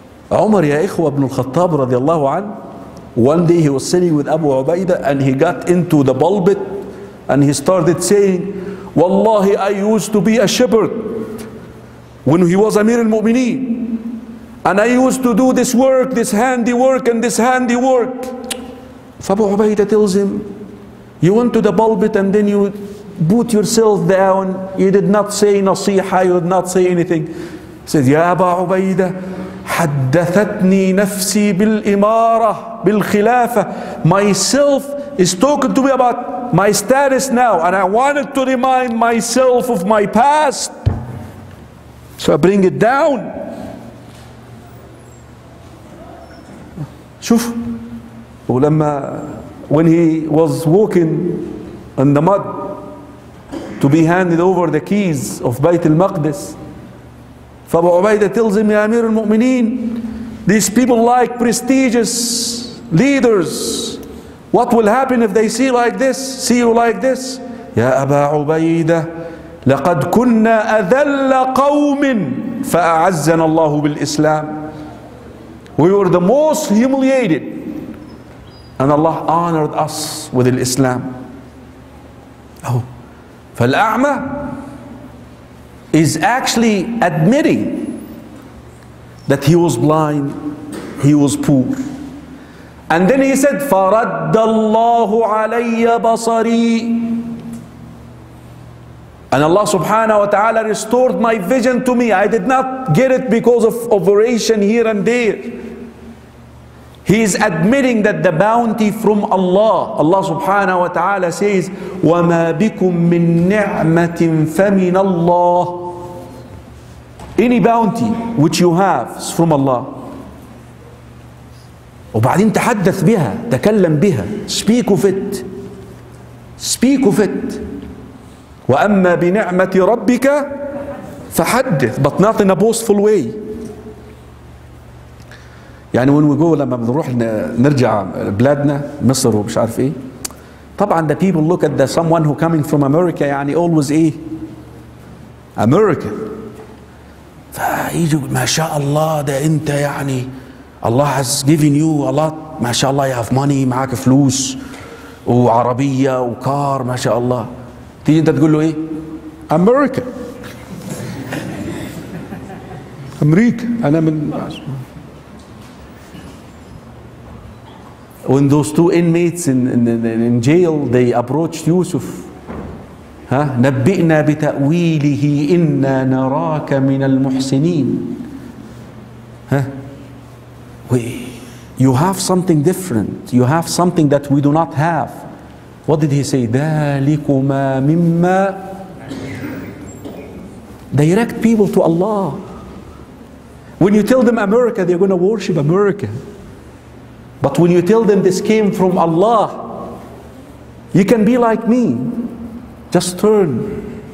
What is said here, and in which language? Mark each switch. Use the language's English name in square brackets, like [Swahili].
[English] Umar, ya ikhwa, ibn al-Khattab radiallahu anhu, one day he was sitting with Abu Ubaidah and he got into the pulpit and he started saying, wallahi, I used to be a shepherd when he was Amir al-Mu'mineen, and I used to do this work, this handy work and this handy work. Abu Ubaidah tells him, you went to the pulpit and then you put yourself down, you did not say nasiha, you did not say anything. He says, [Arabic] ya Abu Ubaidah, حدثتني نفسي بالإمارة بالخلافة. [English] Myself is talking to me about my status now and I wanted to remind myself of my past, so I bring it down. [Arabic] شوف, ولما [English] when he was walking in the mud to be handed over the keys of بيت المقدس, فابو عبيدة tells him, [Arabic] يا أمير المؤمنين, [English] these people like prestigious leaders, what will happen if they see like this, see you like this? [Arabic] يا أبا عبيدة, لقد كنا أذل قوم فأعزنا الله بالإسلام. [English] We were the most humiliated and Allah honored us with Islam. Oh. [Arabic] فالأعمى [English] is actually admitting that he was blind, he was poor. And then he said, [Arabic] فَرَدَّ اللَّهُ عَلَيَّ بَصَرِي, [English] and Allah subhanahu wa ta'ala restored my vision to me. I did not get it because of operation here and there. He is admitting that the bounty from Allah. Allah subhanahu wa ta'ala says, [Arabic] وَمَا بِكُم مِّن نِعْمَةٍ فَمِنَ اللَّهِ. [English] Any bounty which you have is from Allah. [Arabic] وبعدين تحدث بها, تكلم بها. [English] Speak of it. Speak of it. [Arabic] وَأَمَّا بِنِعْمَةِ رَبِّكَ فَحَدِّثْ. [English] But not in a boastful way. [Arabic] يعني [English] when we go, [Arabic] لما بنروح نرجع بلادنا مصر ومش عارف ايه, طبعا [English] the people look at the someone who coming from America, يعني always [Arabic] ايه, [English] American. [Arabic] فيجوا ما شاء الله, ده انت يعني [English] Allah has given you a lot, [Arabic] ما شاء الله, [English] you have money, [Arabic] معاك فلوس وعربية وكار, ما شاء الله. تيجي انت تقول له ايه, American. أمريكا, أنا من. [English] When those two inmates in jail, they approached Yusuf. Huh? [Arabic] نبئنا بتأويله إنا نراك من المحسنين. Huh? [English] You have something different. You have something that we do not have. What did he say? [Arabic] ذلكما مما. [English] Direct people to Allah. When you tell them America, they're going to worship America. But when you tell them this came from Allah, you can be like me. Just turn.